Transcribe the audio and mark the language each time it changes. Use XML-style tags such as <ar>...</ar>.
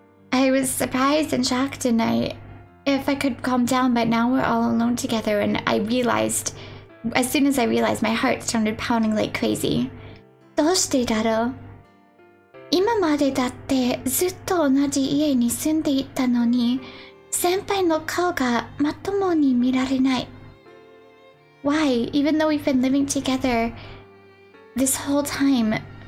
<en>I was surprised and shocked and if I could calm down, but now we're all alone together and I realized, as soon as I realized, my heart started pounding like crazy.</en> <ja>どうしてだろう？今までだってずっと同じ家に住んでいたのに、先輩の顔がまともに見られない。</ja> <en>Why, even though we've been living together this whole time,</en>